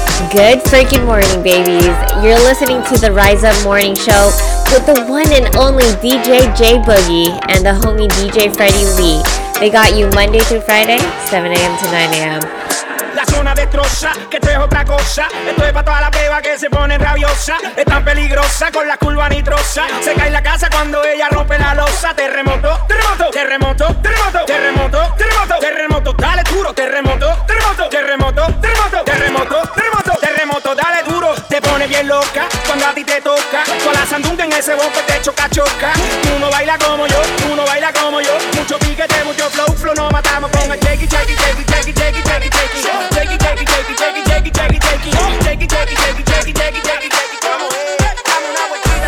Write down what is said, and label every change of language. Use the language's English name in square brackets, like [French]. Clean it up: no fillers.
[English] Good freaking morning, babies. You're listening to the Rise Up Morning Show with the one and only DJ J-Boogie and the homie DJ Freddy Lee. They got you Monday through Friday, 7 a.m. to 9 a.m. [Spanish] La zona destroza, que esto es otra cosa. Esto es pa' toda la beba que se pone rabiosa. Es tan peligrosa con la curva nitrosa. Se cae la casa cuando ella rompe la losa. Terremoto, terremoto, terremoto, terremoto, terremoto, terremoto, terremoto, dale duro. Terremoto, terremoto, terremoto, terremoto, terremoto, terremoto, terremoto, dale duro. Te pone bien loca cuando a ti te toca. Con la sandunga en ese bosque te choca, choca. Tú no bailas como yo, tú no bailas como yo. Mucho piquete, mucho flow, flow, nos matamos con el cheki, cheki, cheki, cheki, cheki, cheki, cheki. [English] Take it, take it, take it, take it, take it, take it, take it, take it, take it, take it, take it, take it, take it, take it, take it, come on.